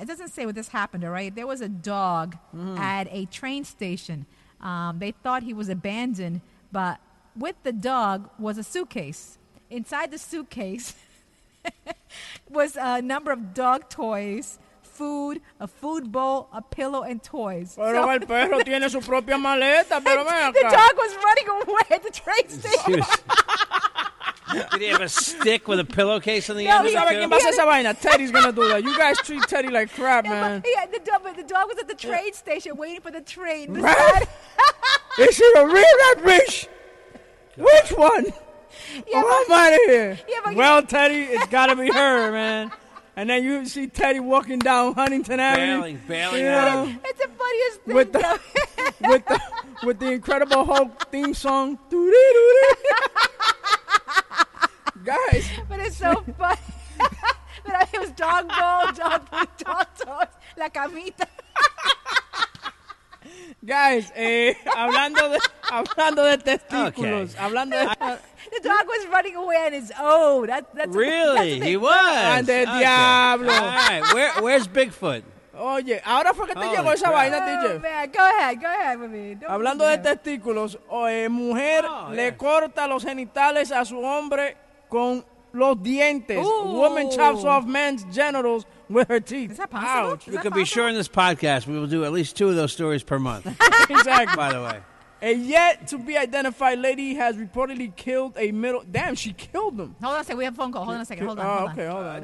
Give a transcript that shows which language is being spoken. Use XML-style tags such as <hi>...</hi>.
<en>It doesn't say where this happened, all right? There was a dog at a train station. They thought he was abandoned, but with the dog was a suitcase. Inside the suitcase was a number of dog toys. Food, a food bowl, a pillow, and toys.</en> <es>Pero el perro tiene su propia maleta, pero ven acá.</es> <en>The dog was running away at the train station. Did he have a stick with a pillowcase on the end of it? No, he had it. Teddy's going to do that. You guys treat Teddy like crap, man. Yeah, the dog was at the train station waiting for the train. Right? Is it a real rat bitch? Which one? Yeah, I'm out of here. Teddy, it's got to be her, man. And then you see Teddy walking down Huntington Avenue. Bailing. It's the funniest thing. With the Incredible Hulk theme song. Doo-dee-doo-dee. Guys. But it's so funny. But it was dog bowl, dog toys,</en> <es>la camita. Guys, hablando de testículos. Okay.</es> <en>The dog was running away on his own. Really? That's he was? And the diablo. All right, where's Bigfoot?</en> <es>Oye, ahora fue que te llegó esa vaina, DJ.</es> <en>Go ahead with me.</en> <es>Hablando de testículos, mujer le corta los genitales a su hombre con los dientes. Ooh.</es> <en>Woman chops off man's genitals with her teeth. Is that possible? You can be sure in this podcast we will do at least two of those stories per month. Exactly. By the way. A yet-to-be-identified lady has reportedly killed a middle... Damn, she killed him. Hold on a second. We have a phone call. Hold on a second. Hold on.</en>